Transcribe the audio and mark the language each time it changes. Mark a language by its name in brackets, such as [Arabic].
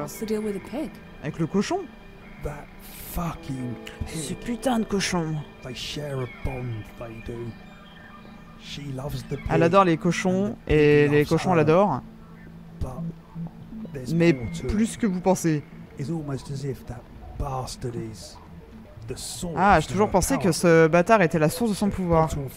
[English] What's the deal with the pig? [French] Avec le cochon? [English] That fucking pig. [French] Ce putain de cochon. [English] They share a bond, they do. She loves the pig. [French] Elle adore les cochons et les cochons l'adorent. Mais plus que vous pensez, [English] is almost as if that bastard is the source. [French] Ah, j'ai toujours pensé que ce bâtard était la source de son pouvoir.